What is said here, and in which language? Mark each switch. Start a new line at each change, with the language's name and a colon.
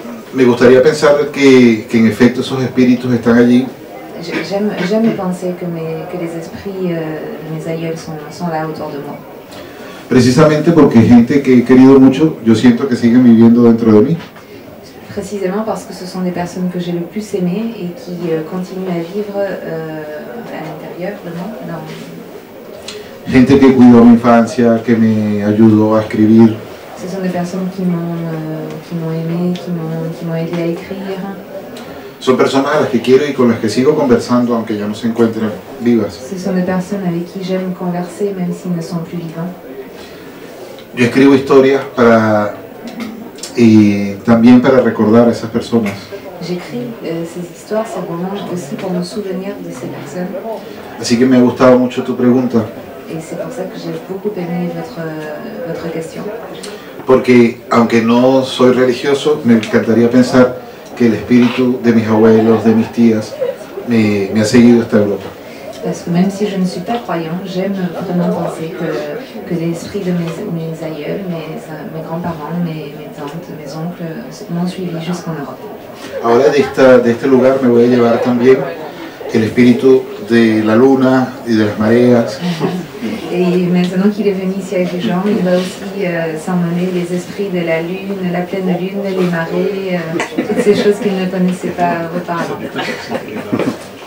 Spanish: Me gustaría pensar que en efecto esos espíritus están allí.
French: J'aime penser que les esprits mes aïeuls sont là autour de moi.
Spanish: Precisamente porque gente que he querido mucho, yo siento que siguen viviendo dentro de mí. Precisamente porque
French: ce sont des personnes que j'ai le plus aimé et qui continuent à vivre à l'intérieur de moi. Non.
Spanish: Gente que cuidó mi infancia, que me ayudó a escribir.
French: Ce sont des personnes qui m'ont aimé, qui m'ont aidé à écrire.
Spanish: Son personas a las que quiero y con las que sigo conversando aunque ya no se encuentren vivas.
French: Ce sont des personnes avec qui j'aime converser même s'ils ne sont plus vivants.
Spanish: Yo escribo historias para también para recordar a esas personas.
French: J'écris ces histoires, ces romans aussi pour me souvenir de ces personnes.
Spanish: Así que me ha gustado mucho tu pregunta.
French: Et c'est pour ça que j'ai beaucoup aimé votre question.
Spanish: Porque aunque no soy religioso, me encantaría pensar que el espíritu de mis abuelos, de mis tías, me ha seguido hasta Europa.
French: Parce que même si je ne suis pas croyant, j'aime vraiment penser que l'esprit de mes aïeuls, mes grands-parents, mes tantes, mes oncles m'ont suivi jusqu'en Europe.
Spanish: Ahora de este lugar me voy a llevar también el espíritu de la luna y de las mareas.
French: Et maintenant qu'il est venu ici avec les gens, il va aussi s'emmener les esprits de la lune, la pleine lune, les marées, toutes ces choses qu'il ne connaissait pas auparavant.